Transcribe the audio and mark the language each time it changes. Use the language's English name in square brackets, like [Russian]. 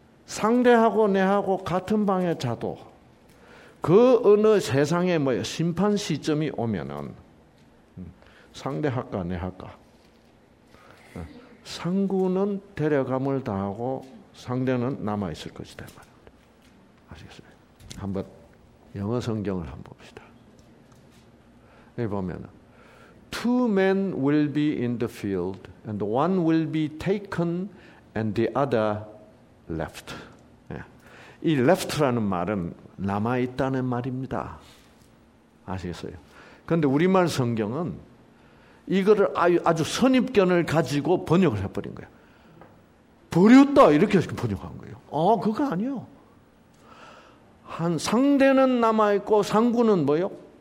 [Korean] 상대하고 내하고 같은 방에 자도 그 어느 세상에 뭐 심판 시점이 오면은 상대할까 내할까 상구는 데려감을 당하고 상대는 남아 있을 것이다 말입니다. 아시겠어요? 한번 영어 성경을 한번 봅시다. 여기 보면 [English] two men will be in the field and one will be taken and the other left. [Korean] 이 left라는 말은 남아 있다는 말입니다. 아시겠어요? 그런데 우리말 성경은 이거를 아주 선입견을 가지고 번역을 해버린 거예요. 버렸다 이렇게 번역한 거예요. 아, 그거 아니요. 한 상대는 남아 있고 상구는 뭐요?